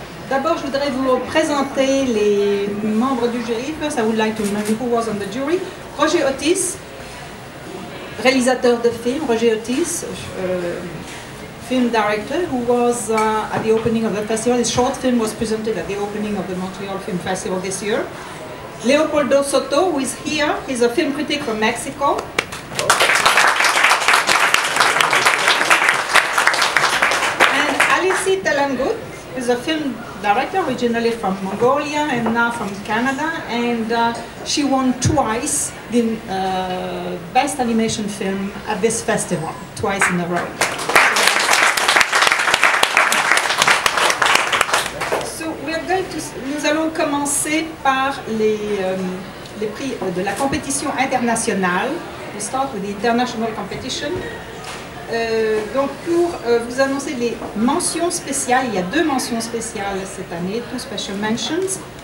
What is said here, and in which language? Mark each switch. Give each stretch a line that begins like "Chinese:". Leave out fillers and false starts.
French: D'abord, je voudrais vous présenter les membres du jury.
English: First, I would like to know who was on the jury. Roger Otis,
French: réalisateur de film.
English: Roger Otis, film director, who was at the opening of the festival. His short film was presented at the opening of the Montreal Film Festival this year. Leopoldo Soto, who is here. He's a film critic from Mexico. And Alice Talangut, who's a film director originally from Mongolia and now from Canada, and she won twice the best animation film at this festival, twice in a row.
French: So nous allons commencer par les prix de la compétition internationale.
English: We start with the international competition.
French: Donc pour vous annoncer les mentions spéciales, il y a deux mentions spéciales cette année,
English: two special mentions.